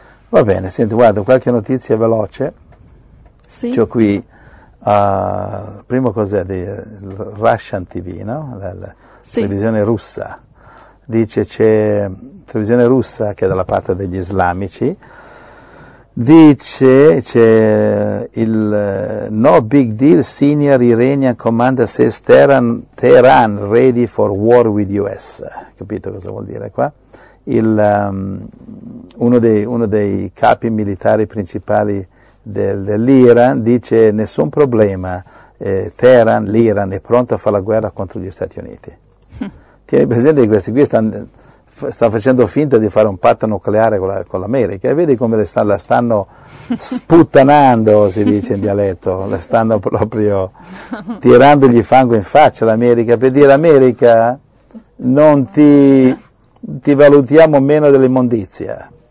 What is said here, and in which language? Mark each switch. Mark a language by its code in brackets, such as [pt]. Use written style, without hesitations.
[it] Va bene, senti, guarda, qualche notizia veloce, sì. C'ho qui... Primo cos'è di Russian TV, no? Sì. Televisione russa. Dice c'è televisione russa che è dalla parte degli islamici. Dice c'è il [en] no big deal senior Iranian commander says Tehran ready for war with US. [it] Capito cosa vuol dire qua? Uno dei capi militari principali dell'Iran dice nessun problema, Teheran, l'Iran è pronto a fare la guerra contro gli Stati Uniti. Tieni presente che questi qui stanno facendo finta di fare un patto nucleare con l'America e vedi come la stanno sputtanando, si dice in dialetto, le stanno proprio tirandogli fango in faccia l'America, per dire America non ti valutiamo meno dell'immondizia.